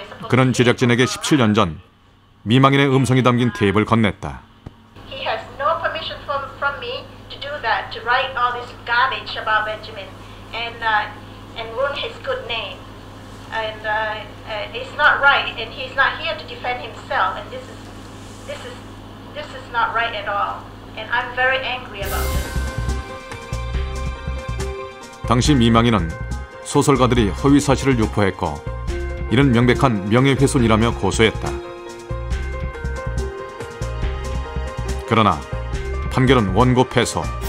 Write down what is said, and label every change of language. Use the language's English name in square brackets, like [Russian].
[Korean] 그는 제작진에게 17년 전 미망인의 음성이 담긴 테이프를 건넸다. [English] He has no permission from me to do that, to write all this garbage about Benjamin and ruin his good name. and it's not right, and he's not here to defend himself, and this is not right at all, and I'm very angry about it. [Korean] 당시 미망인은 소설가들이 허위 사실을 유포했고 이는 명백한 명예훼손이라며 고소했다. 그러나 판결은 원고 패소.